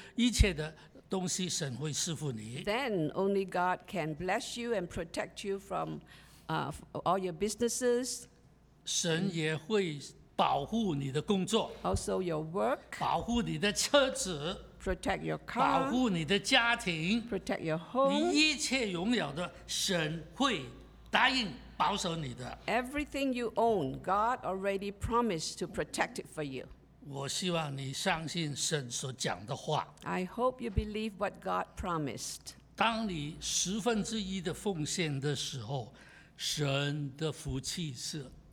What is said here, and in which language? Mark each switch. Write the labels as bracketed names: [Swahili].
[Chinese] 那我们大能的神就会保护你一切的所拥有的，你的投资，你的工，你的生意，你的一切的东西，神会赐福你。 [English] Then only God can bless you and protect you from all your businesses. [Chinese] 神也会保护你的工作 [English] Also your work [Chinese] 保护你的车子 [English] Protect your car [Chinese] 保护你的家庭 [English] Protect your home [Chinese] 你一切拥有的 神会答应保守你的 [English] Everything you own God already promised to protect it for you [Chinese] 我希望你相信神所讲的话 [English] I hope you believe what God promised [Chinese] 当你十分之一的奉献的时候 神的福气是